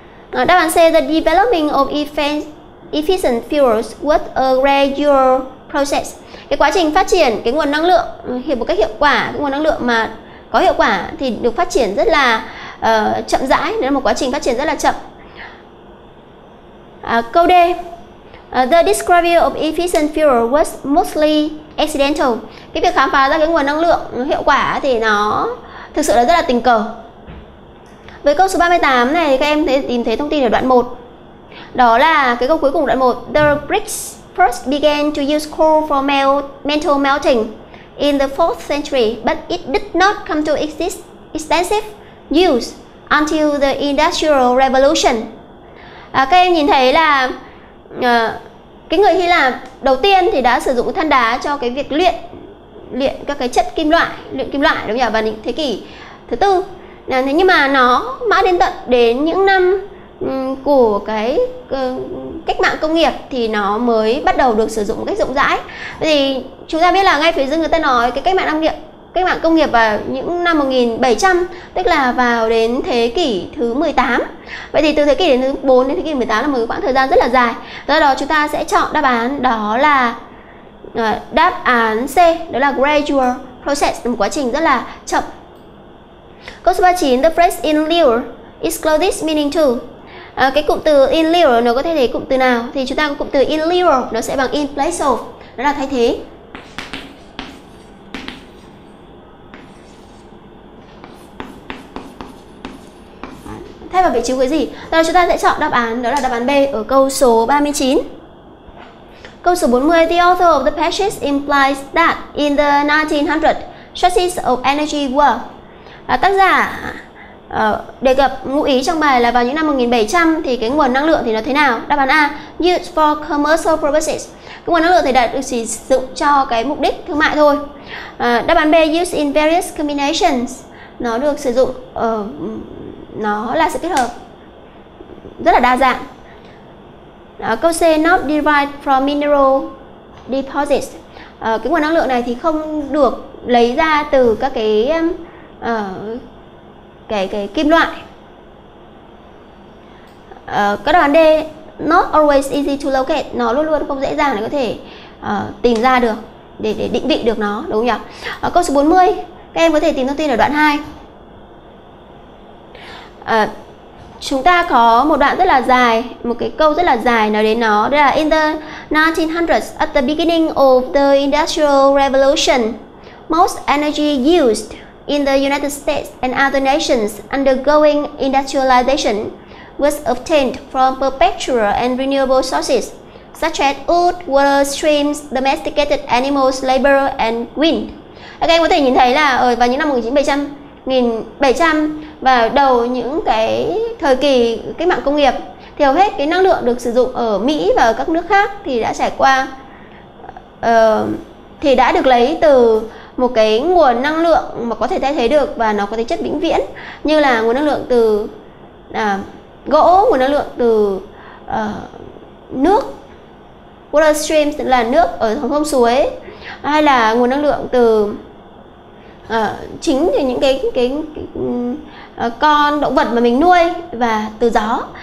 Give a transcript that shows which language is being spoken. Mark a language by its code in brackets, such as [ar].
[vi] Đáp án C, [en] the developing of efficient fuels was a gradual process. [vi] Cái quá trình phát triển cái nguồn năng lượng một cách hiệu quả, cái nguồn năng lượng mà có hiệu quả thì được phát triển rất là chậm rãi, nó là một quá trình phát triển rất là chậm. Câu D, [en] the discovery of efficient fuel was mostly accidental. [vi] Cái việc khám phá ra cái nguồn năng lượng hiệu quả thì nó thực sự là rất là tình cờ. Với câu số 38 này, các em thấy tìm thấy thông tin ở đoạn 1. Đó là cái câu cuối cùng đoạn 1, [en] the Greeks first began to use coal for metal melting in the 4th century, but it did not come to extensive use until the Industrial Revolution. [vi] Các em nhìn thấy là cái người Hy Lạp đầu tiên thì đã sử dụng than đá cho cái việc luyện các cái chất kim loại, đúng không nhỉ? Vào thế kỷ thứ tư. Thế nhưng mà nó mãi đến tận đến những năm của cái cách mạng công nghiệp thì nó mới bắt đầu được sử dụng một cách rộng rãi. Thì chúng ta biết là ngay phía dưới người ta nói cái cách mạng công nghiệp vào những năm 1700, tức là vào đến thế kỷ thứ 18. Vậy thì từ thế kỷ đến thứ 4 đến thế kỷ 18 là một khoảng thời gian rất là dài. Do đó chúng ta sẽ chọn đáp án, đó là đáp án C, đó là [en] gradual process, [vi] một quá trình rất là chậm. Câu số 39, [en] the phrase in lieu is clothes meaning to. [vi] Cái cụm từ in lieu nó có thay thế cụm từ nào? Thì chúng ta có cụm từ in lieu, nó sẽ bằng [en] in place of, [vi] nó là thay thế. Thay vào vị trí của cái gì? Đó là chúng ta sẽ chọn đáp án, đó là đáp án B ở câu số 39. Câu số 40, [en] the author of the passage implies that in the 1900 sources of energy were. [vi] Tác giả đề cập ngụ ý trong bài là vào những năm 1700 thì cái nguồn năng lượng thì nó thế nào? Đáp án A, [en] used for commercial purposes. [vi] Cái nguồn năng lượng thì đã được sử dụng cho cái mục đích thương mại thôi. Đáp án B, [en] used in various combinations. [vi] Nó được sử dụng, nó là sự kết hợp rất là đa dạng. Câu C, [en] not derived from mineral deposits. [vi] Cái nguồn năng lượng này thì không được lấy ra từ các cái kim loại. Các đáp án D, [en] not always easy to locate. [vi] Nó luôn luôn không dễ dàng để có thể tìm ra được, để định vị được nó, đúng không nhỉ? Câu số 40, các em có thể tìm thông tin ở đoạn 2. Chúng ta có một đoạn rất là dài, một cái câu rất là dài nói đến nó. Đây là [en] in the 1900s, at the beginning of the Industrial Revolution, most energy used in the United States and other nations undergoing industrialization was obtained from perpetual and renewable sources such as wood, water, streams, domesticated animals, labor and wind. [vi] Các em có thể nhìn thấy là ở vào những năm 1700 và đầu những cái thời kỳ cách mạng công nghiệp thì hầu hết cái năng lượng được sử dụng ở Mỹ và ở các nước khác thì đã trải qua thì đã được lấy từ một cái nguồn năng lượng mà có thể thay thế được và nó có tính chất vĩnh viễn, như là nguồn năng lượng từ gỗ, nguồn năng lượng từ nước, [en] water streams [vi] là nước ở sông suối, hay là nguồn năng lượng từ chính thì những con động vật mà mình nuôi và từ gió.